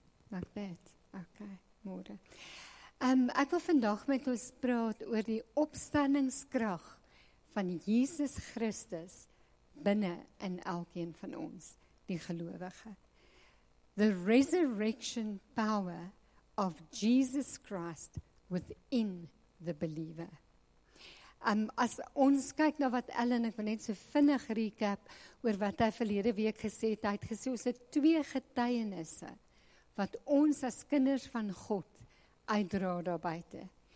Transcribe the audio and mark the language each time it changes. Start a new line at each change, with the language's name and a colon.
English: Like that. Okay, môre.
Afrikaans: Ek wil vandag met ons praat oor die opstandingskrag van Jesus Christus binne in elkeen van ons, die gelowige.
English: The resurrection power of Jesus Christ within the believer.
Afrikaans: As ons kyk na wat Ellen, ek wil net so vinnig recap oor wat hy verlede week gesê het, hy het gesê, ons het twee getuienisse wat ons as kinders van God uitdra daarbuiten.